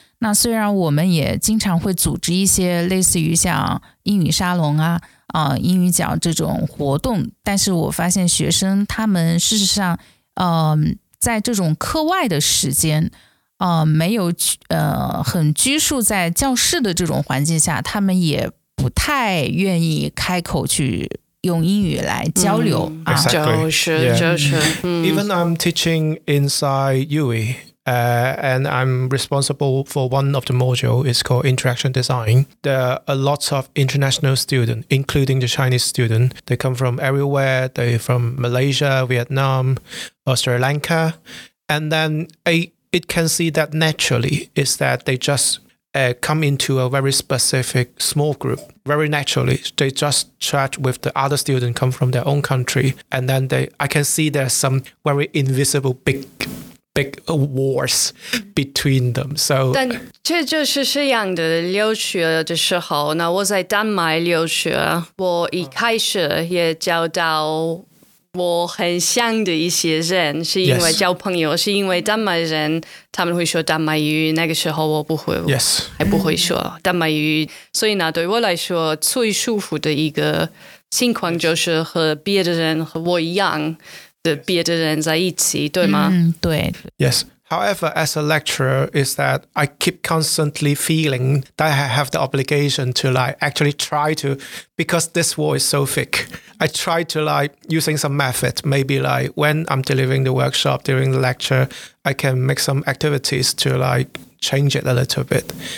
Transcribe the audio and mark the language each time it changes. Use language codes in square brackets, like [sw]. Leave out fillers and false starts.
[zh] 那虽然我们也经常会组织一些类似于像英语沙龙英语角这种活动，但是我发现学生他们事实上在这种课外的时间没有很拘束在教室的这种环境下，他们也不太愿意开口去用英语来交流 [en] Even I'm teaching inside UWE and I'm responsible for one of the module. It's called Interaction Design. There are a lot of international students, including the Chinese student. They come from everywhere. They're from Malaysia, Vietnam, or Sri Lanka. And then it can see that naturally is that they just come into a very specific small group. Very naturally, they just chat with the other students come from their own country. And then I can see there's some very invisible big wars between them. So, [zh] 但这就是这样的留学的时候，那我在丹麦留学，我一开始也交到我很像的一些人，是因为交朋友，是因为丹麦人他们会说丹麦语，那个时候我不会，还不会说丹麦语，所以呢，对我来说最舒服的一个情况就是和别的人和我一样的别的人在一起，对吗？对。 [en] Yes. However, as a lecturer, is that I keep constantly feeling that I have the obligation to like actually try to, because this wall is so thick. I try to like using some method. Maybe like when I'm delivering the workshop during the lecture, I can make some activities to like change it a little bit.